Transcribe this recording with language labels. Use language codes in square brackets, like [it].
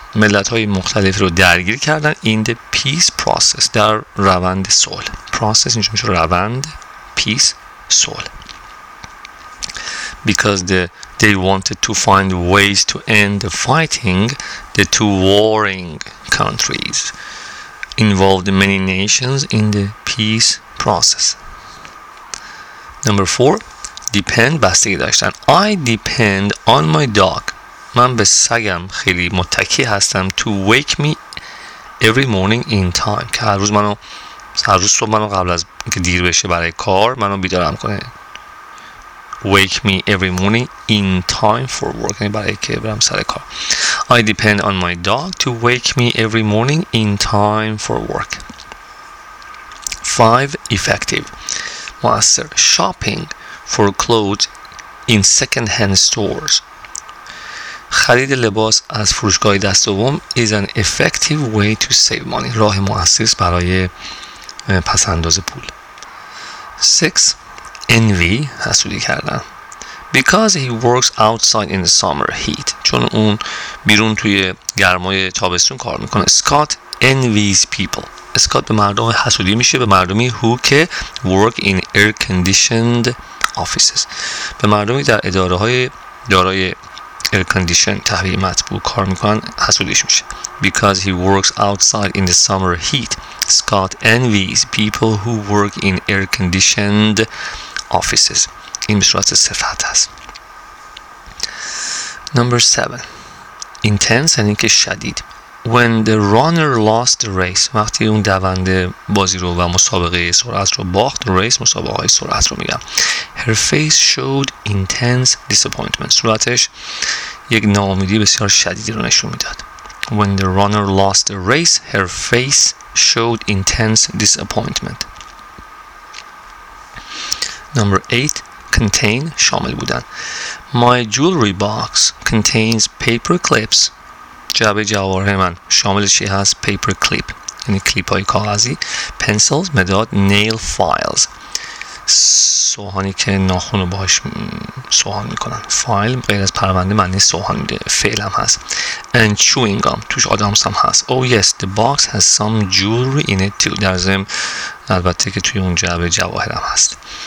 [fa] ملت های مختلف رو درگیر کردن. [en] In the peace process. [fa] در روند صلح. Process اینجا میشه روند. Peace. صلح. [en] Because they wanted to find ways to end the fighting. The two warring countries. Involved many nations in the peace process. Number four. Depend, [fa] بستگی داشتن. [en] I depend on my dog. [fa] من به سگم خیلی متکی هستم. [en] To wake me every morning in time. [fa] که هر روز منو هر روز صبح منو قبل از که دیر بشه برای کار منو بیدارم کنه. [en] Wake me every morning in time for work. [fa] یعنی برای که برم سر کار. [en] I depend on my dog to wake me every morning in time for work. 5. Effective. مؤثر. Shopping for clothes in second hand stores. [fa] خرید لباس از فروشگاه دست دوم [en] is an effective way to save money. [fa] راه مؤثری برای پس انداز پول. 6. Envy, حسودی کردن. [en] Because he works outside in the summer heat. [fa] چون اون بیرون توی گرمای تابستون کار میکنه. [en] Scott envies people. [fa] اسکات به مردم حسودی میشه. به مردمی [en] who که work in air conditioned offices. [fa] به مردمی در اداره های دارای [en] air conditioned [fa] تهویه مطبوع کار میکنن حسودیش میشه. [en] Because he works outside in the summer heat, Scott envies people who work in air conditioned offices. [fa] این به صورت صفت هست. [en] Number 7. [fa] Intense, یعنی که شدید. [en] When the runner lost the race, [fa] وقتی اون دونده بازی رو و مسابقه سرعت رو باخت, race مسابقه های سرعت رو میگم. [en] Her face showed intense disappointment. [fa] صورتش یک ناامیدی بسیار شدیدی رو نشون میداد. [en] When the runner lost the race, her face showed intense disappointment. Number 8. Contain, [fa] شامل بودن. [en] My jewelry box contains paper clips. [fa] جعبه جواهر من شامل چی هست؟ paper clip یعنی کلیپ های کاغذی. Pencils, مداد. [en] Nail files, [fa] سوهانی که ناخون رو باش سوهان میکنن. فایل غیر از پرونده معنی سوهان میده. فعل هم هست. [en] And chewing gum, [fa] توش آدامس هم هست. [en] Oh yes, the box has some jewelry in it too. [fa] در ضمن البته که توی اون جعبه جواهر هم هست.